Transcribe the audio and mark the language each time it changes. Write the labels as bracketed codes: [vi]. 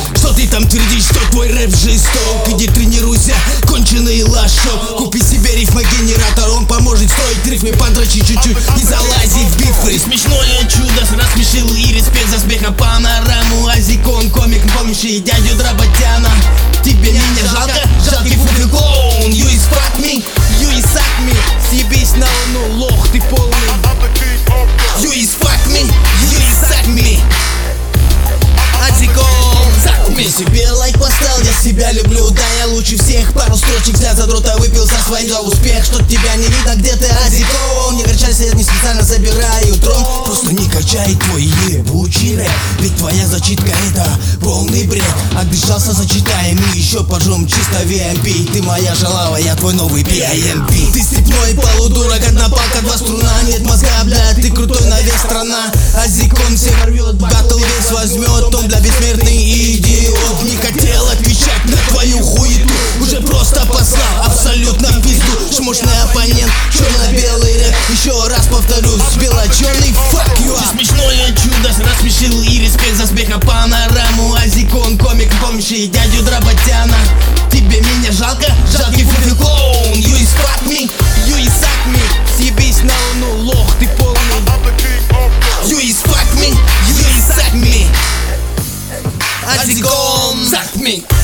[ru] Что ты там твердишь, что твой рэп жесток? Иди тренируйся, конченый лошок. Купи себе рифмогенератор, он поможет стоить рифмы. Подрочи чуть-чуть и залази в бифы. Смешное чудо, рассмешил и респект за смеха панораму. Азик, он комик, помнишь, и дядю Дроботяна. Тебе не жалко, жалко, жалкий фуфел клоун. [en] You is fuck me, you is suck me. [ru] Съебись на луну, лох ты полный. [en] You is fuck me, you is suck me. Азиком, suck me. [ru] Себе лайк поставил, я себя люблю. Да я лучше всех, пару строчек взял за дрота. Выпил со своим за успех, что тебя не видно. Где ты, азиком? Не горчайся, я не специально забираю трон. Просто не качай твой ебучий рэп. Ведь твоя зачитка это полный бред. Обижался, зачитаем и еще пожжем чисто VMP. Ты моя жалава, я твой новый PIMP. Ты степной полудурок, одна палка, два струна. Нет мозга, бля, ты крутой на весь страна. Азиком всех рвет, батл весь возьмет. Он, бля, бессмертный идиот. Не хотел отвечать на твою хуету. Уже просто послал абсолютно в пизду. Шмошный оппонент, черно-белый рэп. Еще раз повторюсь, бело-черный, [en] fuck you up. [ru] Ты смешное чудо, рассмешил и респект за смеха панораму. Азикон, комик, помнишь, и дядю Дроботяна. Тебе меня жалко, жалкий фуфел клоун. [en] You is fuck me, you is suck me. [ru] Съебись на луну, лох ты полный. [en] You is fuck me, you is suck me. Азикон, suck me.